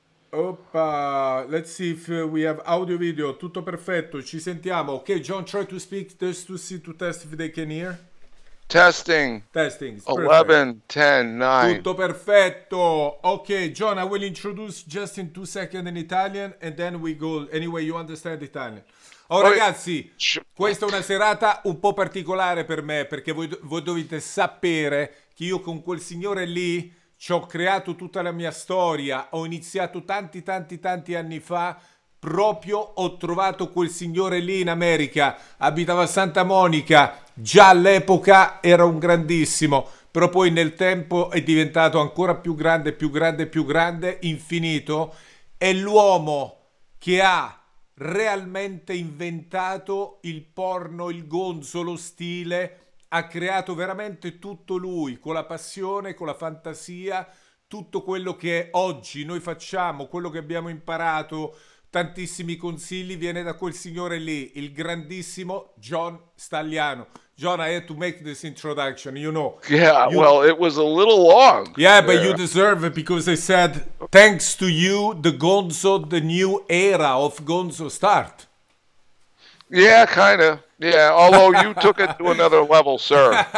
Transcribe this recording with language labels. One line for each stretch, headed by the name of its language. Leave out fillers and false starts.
English: Opa, let's see if we have audio video.
Italian: Tutto perfetto, ci sentiamo.
English: Ok, John, try to speak just to see to test if they can hear. Testing. Testing. 11, 10, 9.
Italian: Tutto perfetto.
English: Ok, John, I will introduce just in 2 seconds in Italian and then we go. Anyway, you understand Italian.
Italian: Oh, ragazzi, questa è una serata un po' particolare per me perché voi dovete sapere che io con quel signore lì ci ho creato tutta la mia storia, ho iniziato tanti anni fa, proprio ho trovato quel signore lì in America, abitava a Santa Monica, già all'epoca era un grandissimo, però poi nel tempo è diventato ancora più grande, infinito, è l'uomo che ha realmente inventato il porno, il gonzo, lo stile. Ha creato veramente tutto lui, con la passione, con la fantasia, tutto quello che oggi noi facciamo, quello che abbiamo imparato, tantissimi consigli, viene da quel signore lì, il grandissimo John Stagliano.
English: John, I had to make this introduction, you know. Yeah, well, it was a little long. Yeah, but there. You deserve it, because I said, thanks to you, the gonzo, the new era of gonzo start. Yeah, kind of. Yeah, although you took it to another level, sir.